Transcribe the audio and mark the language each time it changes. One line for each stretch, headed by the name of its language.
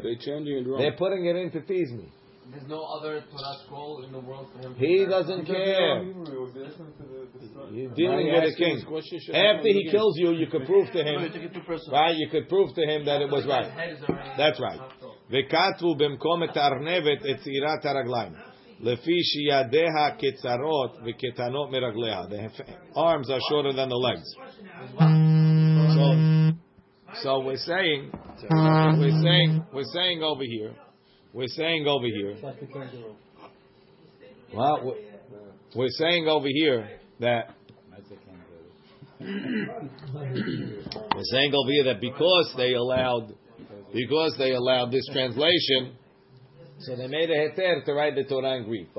English: They changed it wrong. They're putting it in to tease me. There's no other Torah scroll in the world for him. He doesn't care. He's dealing with a king. After he kills you, you could prove to him, right? You could prove to him that it was right. That's right.
Hebrew: וכתבו במקום את ארנבת את צעירת הרגליים, לפי שידיה קצרות וקטנות מרגליה.
English: The arms are shorter than the legs. So we're saying over here that because they allowed this translation, so they made a heter to write the Torah in Greek.